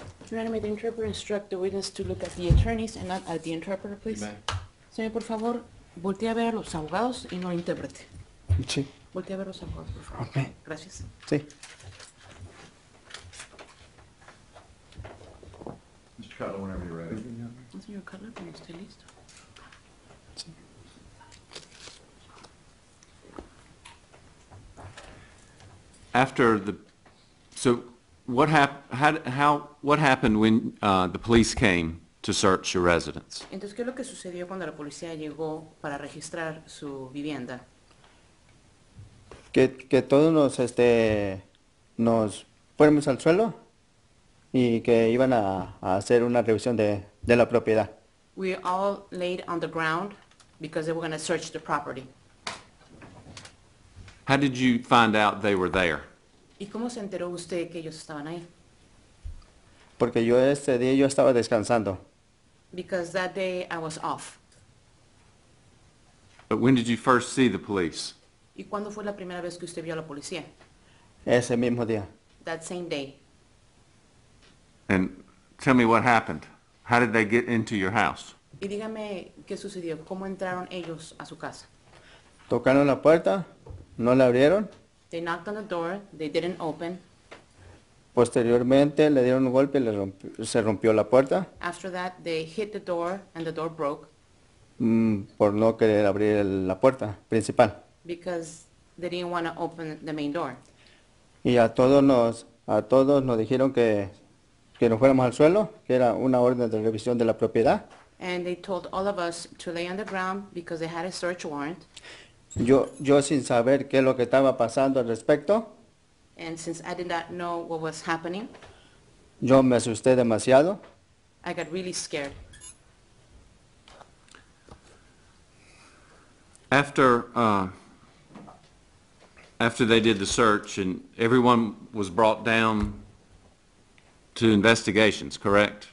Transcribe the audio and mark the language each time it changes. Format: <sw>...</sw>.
<en>Your Honor, may the interpreter instruct the witness to look at the attorneys and not at the interpreter, please? Amen.</en> <es>Señor, por favor, voltee a ver a los abogados y no al intérprete. Sí. Voltee a ver a los abogados, por favor.</es> <en>Okay.</en> <es>Gracias. Sí.</es> <en>Mr. Cutler, whenever you're ready.</en> <es>Señor Cutler, cuando esté listo. Sí.</es> <en>After the... So... What happened? How? What happened when the police came to search your residence?</en> <es>Entonces, ¿qué es lo que sucedió cuando la policía llegó para registrar su vivienda? Que todos nos nos fuimos al suelo y que iban a hacer una revisión de la propiedad.</es> <en>We all laid on the ground because they were going to search the property. How did you find out they were there?</en> <es>¿Y cómo se enteró usted que ellos estaban ahí? Porque yo ese día yo estaba descansando.</es> <en>Because that day I was off. But when did you first see the police?</en> <es>¿Y cuándo fue la primera vez que usted vio a la policía? Ese mismo día.</es> <en>That same day. And tell me what happened. How did they get into your house?</en> <es>Y dígame qué sucedió. ¿Cómo entraron ellos a su casa? Tocaron la puerta, no la abrieron.</es> <en>They knocked on the door, they didn't open.</en> <es>Posteriormente le dieron un golpe y se rompió la puerta.</es> <en>After that, they hit the door and the door broke.</en> <es>Por no querer abrir la puerta principal.</es> <en>Because they didn't want to open the main door.</en> <es>Y a todos nos dijeron que que nos fuéramos al suelo, que era una orden de revisión de la propiedad.</es> <en>And they told all of us to lay on the ground because they had a search warrant.</en> <es>Yo sin saber qué es lo que estaba pasando al respecto.</es> <en>And since I did not know what was happening.</en> <es>Yo me asusté demasiado.</es> <en>I got really scared. After they did the search and everyone was brought down to investigations, correct?</en>